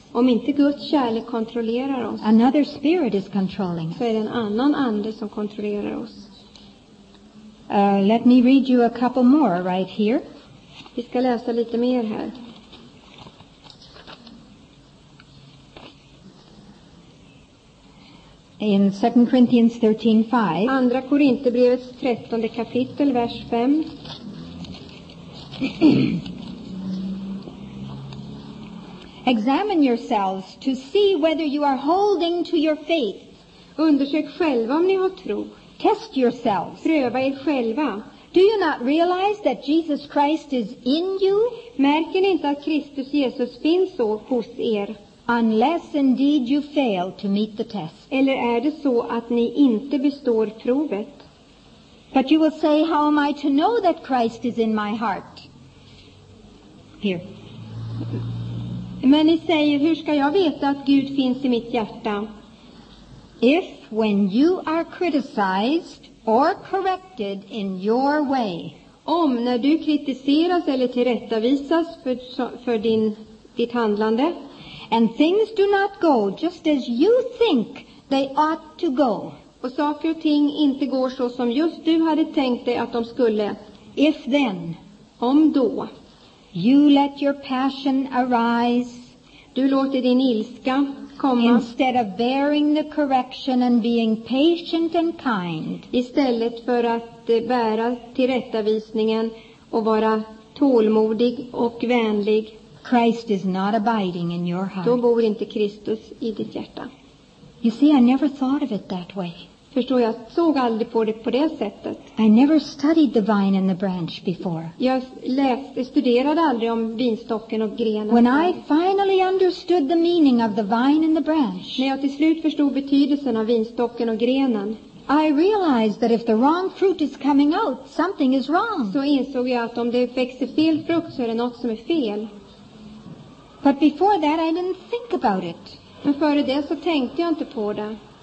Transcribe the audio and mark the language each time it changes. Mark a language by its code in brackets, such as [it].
[sv] Om inte Guds kärlek kontrollerar oss. [en] Another spirit is controlling us. [sv] Så är det en annan ande som kontrollerar oss. [en] Let me read you a couple more right here. [sv] Vi ska läsa lite mer här. [en] In 2 Corinthians 13:5. [sv] Andra Korinthierbrevets 13:e kapitel, vers 5. [en] Examine yourselves to see whether you are holding to your faith. [sv] Undersök själva om ni har tro. [en] Test yourselves. [sv] Pröva er själva. [en] Do you not realize that Jesus Christ is in you? [sv] Märker ni inte att Kristus Jesus finns hos er? [en] Unless indeed you fail to meet the test. [sv] Eller är det så att ni inte består provet? [en] But you will say, how am I to know that Christ is in my heart? Here. [sv] Men ni säger, hur ska jag veta att Gud finns i mitt hjärta? [en] If when you are criticized or corrected in your way. [sv] Om när du kritiseras eller tillrättavisas för ditt handlande. [en] And things do not go just as you think they ought to go. [sv] Och saker och ting inte går så som just du hade tänkt dig att de skulle. [en] If then, [sv] om då, [en] you let your passion arise, [sv] du låter din ilska komma, [en] instead of bearing the correction and being patient and kind, [sv] istället för att bära tillrättavisningen och vara tålmodig och vänlig, [en] Christ is not abiding in your heart. [sv] Då bor inte Kristus i ditt hjärta. [en] You see, I never thought of it that way. [sv] Förstår, jag såg aldrig på det sättet. [en] I never studied the vine and the branch before. [sv] Jag studerade aldrig om vinstocken och grenen. [en] When I finally understood the meaning of the vine and the branch. [sv] När jag till slut förstod betydelsen av vinstocken och grenen. [en] I realized that if the wrong fruit is coming out, something is wrong. [sv] Så insåg jag att om det växer fel frukt så är det något som är fel. [en] But before that I didn't think about it. [sv] Men före det så tänkte jag inte på det.